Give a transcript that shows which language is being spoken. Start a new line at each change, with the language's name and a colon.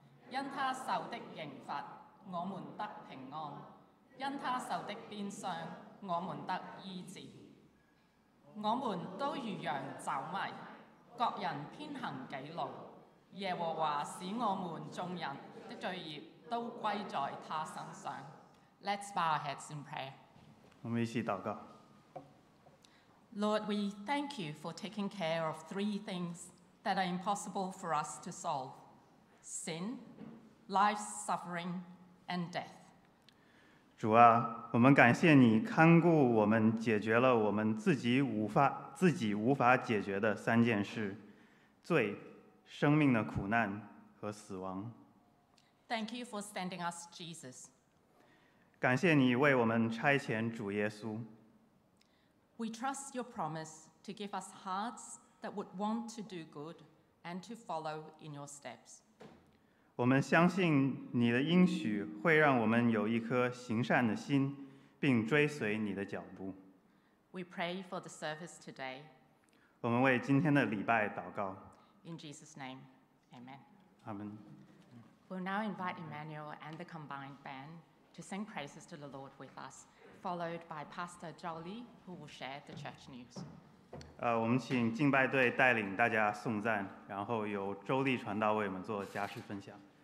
Chinese: 因他受的刑罚，我们得平安；因他受的鞭伤，我们得医治。我们都如羊走迷，各人偏行己路。耶和华使我们众人的罪孽都归在他身上。
English: Let's bow our heads in prayer.
Chinese: 我们一起祷告。
English: Lord, we thank you for taking care of three things that are impossible for us to solve: sin, life's suffering, and death.
Chinese: 主啊，我们感谢你看顾我们，解决了我们自己无法解决的三件事：罪、生命的苦难和死亡。
English: Thank you for sending us Jesus.
Chinese: 感谢你为我们差遣主耶稣。
English: We trust your promise to give us hearts that would want to do good and to follow in your steps.
Chinese: 我们相信你的应许会让我们有一颗行善的心，并追随你的脚步。
English: We pray for the service today.
Chinese: 我们为今天的礼拜祷告。
English: In Jesus' name, Amen. Amen. We'll now invite Emmanuel and the combined band to sing praises to the Lord with us, followed by Pastor Jolie, who will share the church news.
Chinese: 我们请敬拜队带领大家颂赞，然后由周丽传道为我们做家事分享。